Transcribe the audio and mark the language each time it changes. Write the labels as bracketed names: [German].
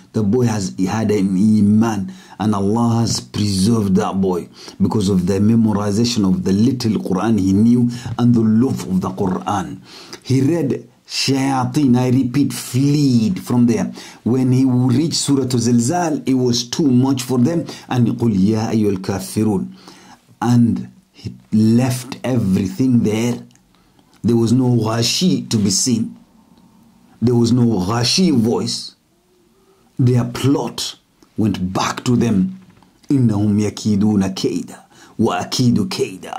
[English] The boy has had an iman, and Allah has preserved that boy because of the memorization of the little Quran he knew and the love of the Quran. He read. Shayateen, I repeat, fled from there. When he reached Surah Zilzal, it was too much for them. [Arabic] And قُلْ يَا أَيُّ الْكَافِرُونَ. [English] And he left everything there. There was no ghashi to be seen. There was no ghashi voice. Their plot went back to them. [Arabic] إِنَّهُمْ يَكِيدُونَ كَيْدًا وَأَكِيدُ كَيْدًا.